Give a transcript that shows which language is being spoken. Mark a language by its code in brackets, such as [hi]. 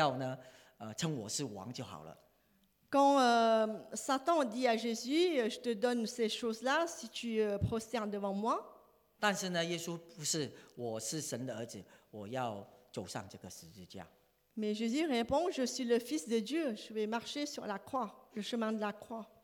[zh] 所以呢，当这撒旦呢，他就propose，他就请耶稣呢，说：“哎，我给你三样很好的东西，你只要呢，称我是王就好了。” [fr] Quand Satan dit à Jésus, je te donne ces choses-là si tu prosternes devant moi. [zh] 但是呢，耶稣不是，我是神的儿子，我要走上这个十字架。 [fr] Mais Jésus répond, je suis le fils de Dieu, je vais marcher sur la croix, le chemin de la croix.